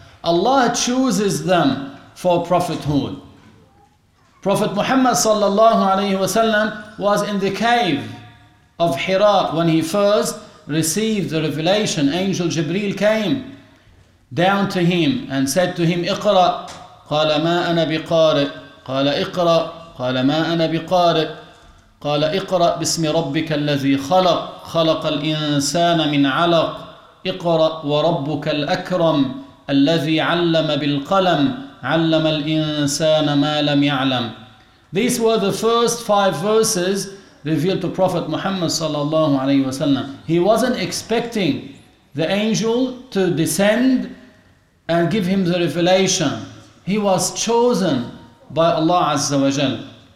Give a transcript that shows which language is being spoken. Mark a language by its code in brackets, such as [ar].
[en] Allah chooses them for prophethood. Prophet Muhammad sallallahu alaihi wasallam was in the cave of Hira when he first received the revelation. Angel Jibreel came down to him and said to him, "Iqra." [ar] قال ما أنا بقارئ قال اقرأ قال ما أنا بقارئ قال اقرأ باسم ربك الذي خلق خلق الإنسان من علق اقرأ وربك الأكرم الذي علم بالقلم علم الإنسان ما لم يعلم. [en] These were the first five verses revealed to Prophet Muhammad sallallahu alaihi wasallam. He wasn't expecting the angel to descend and give him the revelation. He was chosen by Allah Azza wa Jal.